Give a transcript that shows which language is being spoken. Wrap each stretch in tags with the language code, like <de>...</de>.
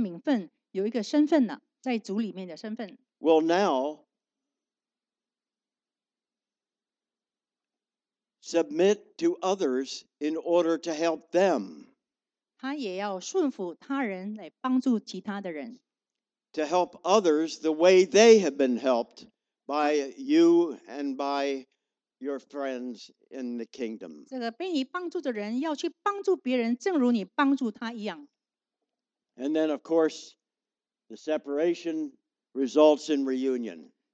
<zh>这个人已经发现自己原来有一个名分，有一个身份了，在主里面的身份。</zh> <en>Will now submit to others in order to help them.</en> <zh>他也要顺服他人来帮助其他的人。</zh> <en>To help others the way they have been helped by you and by your friends in the kingdom.</en> <zh>这个被你帮助的人要去帮助别人，正如你帮助他一样。</zh> <en>And then, of course, the separation results in reunion.</en>